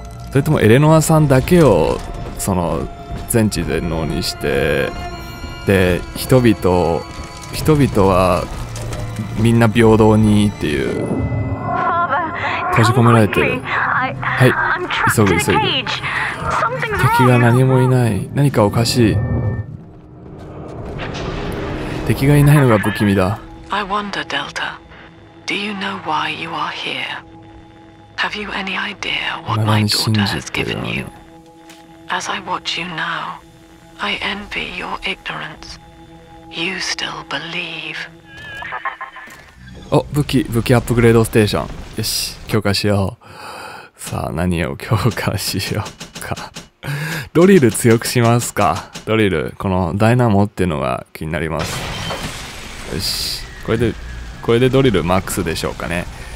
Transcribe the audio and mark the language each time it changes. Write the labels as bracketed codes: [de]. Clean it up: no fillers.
[ja] それともエレノアさんだけをその全知全能にして、で人々はみんな平等にっていう。閉じ込められてる。はい、急ぐ急ぐ。敵が何もいない。何かおかしい。敵がいないのが不気味だ。 [en] I wonder, Delta, do you know why you are here? Have you any idea what my daughter has given you? As I watch you now, I envy your ignorance. You still believe. [ja] お、武器アップグレードステーション。よし、強化しよう。さあ、何を強化しようか。ドリル強くしますか。ドリル、このダイナモっていうのが気になります。よし、これでドリルマックスでしょうかね。